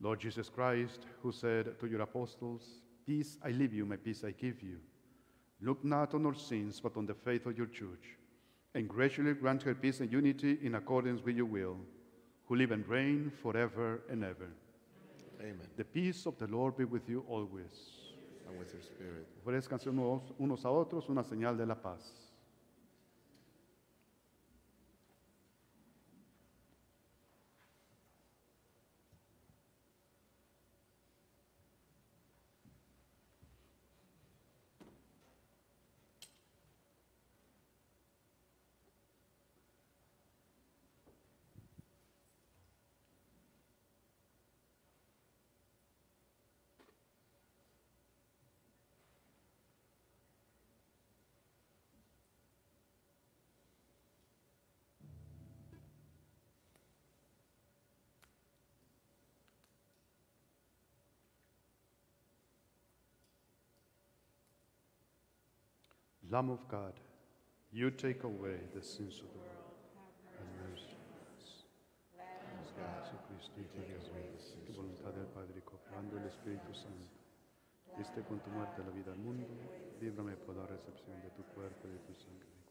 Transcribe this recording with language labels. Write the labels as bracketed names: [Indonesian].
[English] Lord Jesus Christ, who said to your apostles, "Peace I leave you, my peace I give you," look not on our sins, but on the faith of your church, and graciously grant her peace and unity in accordance with your will, who live and reign forever and ever. Amen. The peace of the Lord be with you always. And with your spirit. [Spanish] Ofrezcanse unos a otros una señal de la paz. [English] Lamb of God, you take away the sins of the world. Have mercy on us. Lamb of God, Jesus Christ, you take away the sins of the [Spanish] world. Voluntad del Padre, cooperando el Espíritu Santo. Diste con tu muerte la vida al mundo. Líbrame por la recepción de tu cuerpo y de tu sangre.